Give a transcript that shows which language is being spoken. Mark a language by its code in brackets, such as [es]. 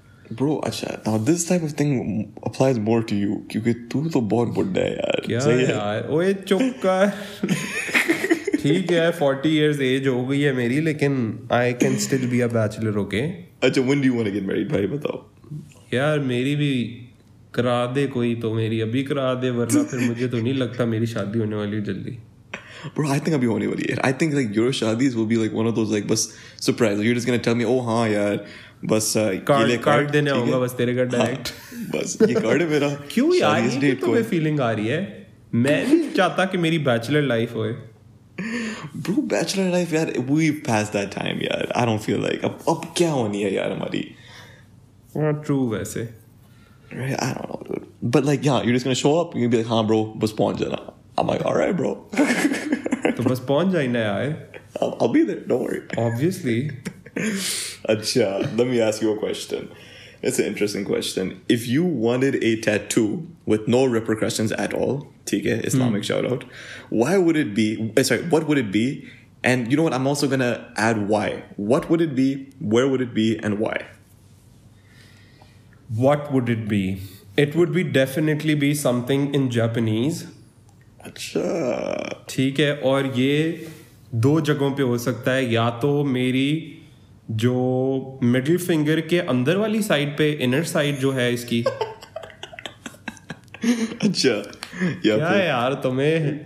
[en] Bro, acha, now this type of thing applies more to you because you're so [hi] bahut budda hai, yaar. Kya yaar? Oye, chup kar. ठीक है [en] 40 years age [hi] हो गई है मेरी लेकिन [en] I can still be a bachelor okay. अच्छा when do you want to get married [hi] भाई बताओ यार मेरी भी करा दे कोई तो मेरी अभी करा दे वरना फिर मुझे तो नहीं लगता मेरी शादी होने वाली है जल्दी [en] bro I think I'll be only one year I think like your shadis will be like one of those like bus surprises you're just gonna tell me oh [hi] haan yaar bus card देने आऊँगा बस तेरे घर direct बस ये card है मेरा क्यों यार ये तुम्हें feeling आ रही है मैं नहीं चाहता कि मेरी bachelor life होए [en] Bro, bachelor life, yaar, we've passed that time, yaar. I don't feel like. [hi] Ab kya honi hai, yaar, hamari? [en] True, vaise. Right? I don't know, dude. But, like, yeah, you're just gonna show up, you're gonna be like, haan, bro, [hi] bas pahunch jana. [en] I'm like, alright, bro. [hi] To bas pahunch jana, yaar. [en] I'll be there, don't worry. Obviously. Acha, let me ask you a question. It's an interesting question. If you wanted a tattoo with no repercussions at all, okay, Islamic shout out, why would it be, sorry, what would it be? And you know what? I'm also going to add why. What would it be? Where would it be? And why? What would it be? It would be definitely be something in Japanese. [hi] Achha. ठीक है, और ये दो जगहों पे हो सकता है, या तो मेरी जो मिडिल फिंगर के अंदर वाली साइड पे इनर साइड जो है इसकी अच्छा या क्या यार तुम्हें